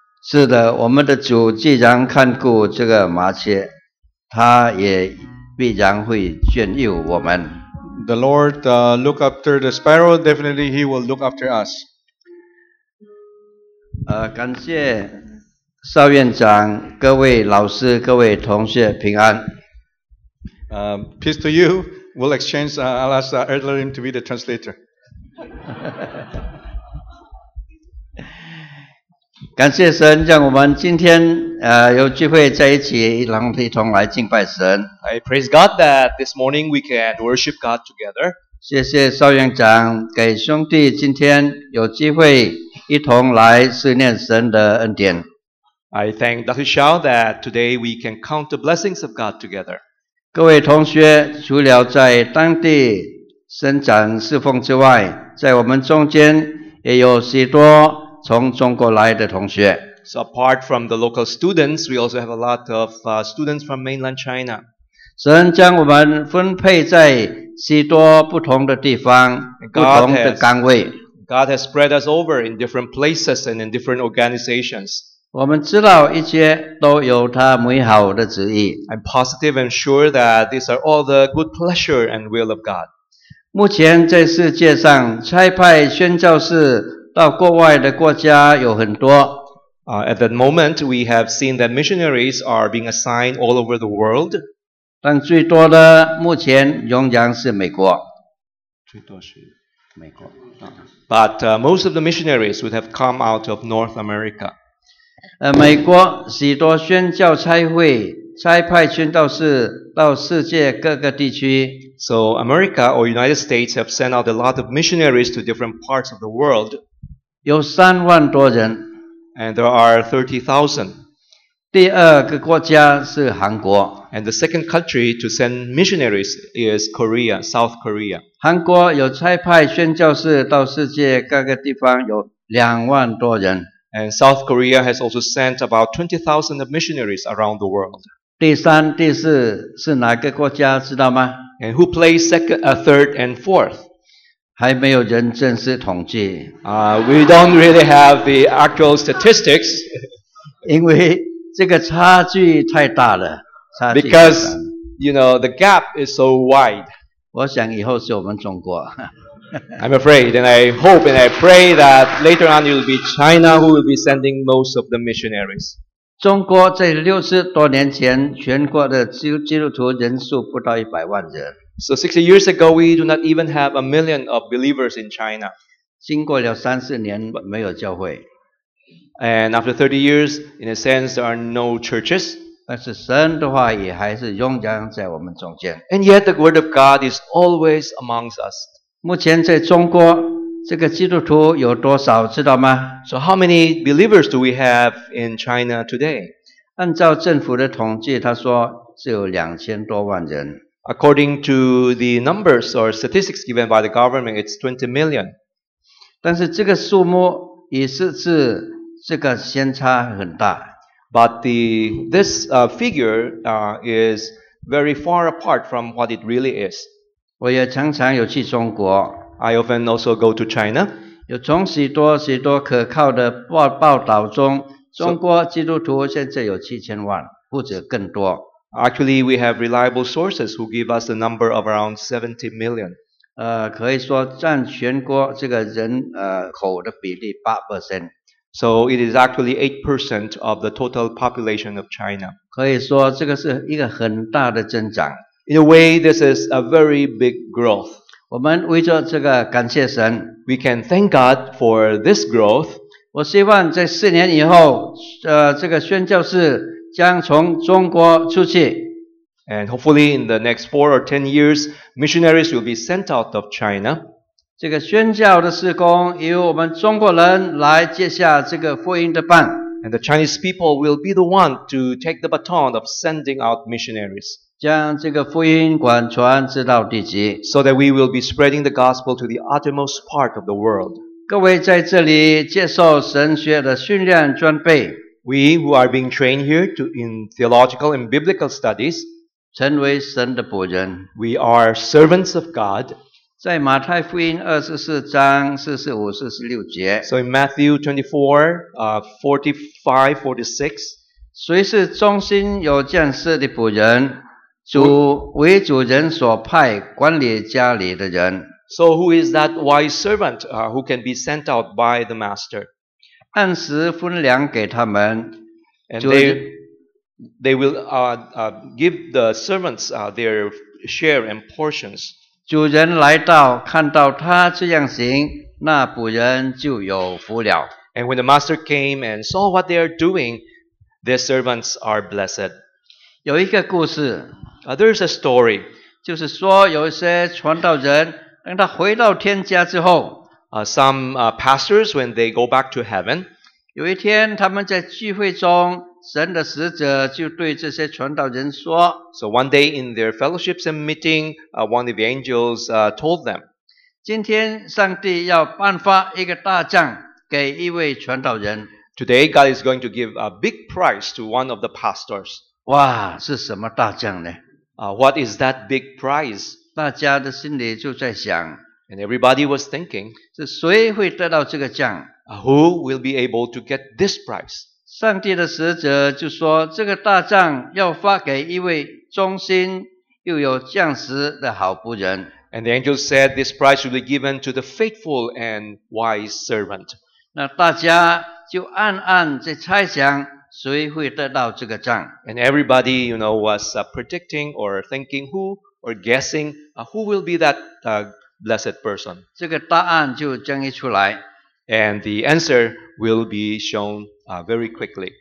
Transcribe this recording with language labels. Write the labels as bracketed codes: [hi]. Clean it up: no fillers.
[zh] 是的，我们的主既然看顾这个麻雀，他也必然会眷佑我们。 [en] The Lord, look after the sparrow, definitely he will look after us. [zh] 感谢邵院长，各位老师，各位同学平安。 [en] Peace to you. We'll exchange, I'll ask Erdlerim to be the translator. [zh] 感谢神，让我们今天有机会在一起，然后一同来敬拜神。 [en] I praise God that this morning we can worship God together. [zh] 谢谢邵院长给兄弟今天有机会一同来思念神的恩典。 [en] I thank Dr. Xiao that today we can count the blessings of God together. [zh] 各位同学，除了在当地伸展侍奉之外，在我们中间也有许多。从中国来的同学。 [en] So apart from the local students, we also have a lot of students from mainland China. [zh] 神将我们分配在许多不同的地方，不同的岗位。 [en] God has spread us over in different places and in different organizations. [zh] 我们知道一切都有他美好的旨意。 [en] I'm positive and sure that these are all the good pleasure and will of God. [zh] 目前在世界上差派宣教士到国外的国家有很多。 [en] At that moment, we have seen that missionaries are being assigned all over the world. [zh] 但最多的目前仍然是美国。最多是美国。 [en] But most of the missionaries would have come out of North America. [zh] 美国许多宣教差会差派宣教士到世界各个地区。 [en] So America or United States have sent out a lot of missionaries to different parts of the world. [zh] 有三万多人。 [en] And there are 30,000. [zh] 第二个国家是韩国。 [en] And the second country to send missionaries is Korea, South Korea. [zh] 韩国有差派宣教士到世界各个地方有两万多人。 [en] And South Korea has also sent about 20,000 of missionaries around the world. [zh] 第三、第四是哪个国家知道吗？ [en] And who plays second, third and fourth? [zh] 还没有人正式统计。 [en] We don't really have the actual statistics. [zh] 因为这个差距太大了。差距 [en] Because, you know, the gap is so wide. [zh] 我想以后是我们中国。 [en] I'm afraid, and I hope, and I pray that later on it will be China who will be sending most of the missionaries. [zh] 中国在60多年前，全国的基督徒人数不到100万人。 [en] So 60 years ago, we do not even have a million of believers in China. [zh] 经过了30年，没有教会。 [en] And after 30 years, in a sense, there are no churches. [zh] 但是神的话也还是仍然在我们中间。 [en] And yet the word of God is always amongst us. [zh] 目前在中国这个基督徒有多少知道吗？ [en] So how many believers do we have in China today? [zh] 按照政府的统计他说只有2000多万人。 [en] According to the numbers or statistics given by the government, it's 20 million. [zh] 但是这个数目也是指这个偏差很大。 [en] But this figure is very far apart from what it really is. [zh] 我也常常有去中国。 [en] I often also go to China. [zh] 有从许多许多可靠的报道中，中国基督徒现在有7000万或者更多。 [en] Actually, we have reliable sources who give us the number of around 70 million. [zh] 可以说占全国这个人口的比例 8%. [en] So it is actually 8% of the total population of China. [zh] 可以说这个是一个很大的增长。 [en] In a way, this is a very big growth. [zh] 我们为着这个感谢神。 [en] We can thank God for this growth. [zh] 我希望在四年以后，这个宣教士将从中国出去。 [en] And hopefully in the next 4 or 10 years, missionaries will be sent out of China. [zh] 这个宣教的事工由我们中国人来接下这个福音的棒。 [en] And the Chinese people will be the one to take the baton of sending out missionaries. [zh] 将这个福音广传直到地极。 [en] So that we will be spreading the gospel to the uttermost part of the world. [zh] 各位在这里接受神学的训练装备。 [en] We who are being trained here to in theological and biblical studies. [zh] 成为神的仆人。 [en] We are servants of God. [zh] 在马太福音24章44、45、46节。 [en] So in Matthew 24:45-46. [zh] 谁是忠心有见识的仆人？主为主人所派管理家里的人。 [en] So who is that wise servant who can be sent out by the master? [zh] 按时分粮给他们。 [en] And they will give the servants their share and portions. [zh] 主人来到看到他这样行，那仆人就有福了。 [en] And when the master came and saw what they are doing, their servants are blessed. [zh] 有一个故事。 [en] There's a story. [zh] 就是说有一些传道人当他回到天家之后。 [en] Some pastors, when they go back to heaven. [zh] 有一天他们在聚会中神的使者就对这些传道人说。 [en] So one day in their fellowships and meeting, one of the angels told them. [zh] 今天上帝要颁发一个大奖给一位传道人。 [en] Today God is going to give a big prize to one of the pastors. [zh] 哇，是什么大奖呢？ [en] What is that big prize? [zh] 大家的心里就在想。 [en] And everybody was thinking. [zh] 是谁会得到这个奖？ [en] Who will be able to get this prize? [zh] 上帝的使者就说，这个大奖要发给一位忠心又有见识的好仆人。 [en] And the angel said, this prize will be given to the faithful and wise servant. [zh] 那大家就暗暗在猜想谁会得到这个奖。 [en] And everybody, you know, was predicting or thinking who or guessing who will be that blessed person. [zh] 这个答案就将一出来。 [en] And the answer will be shown very quickly.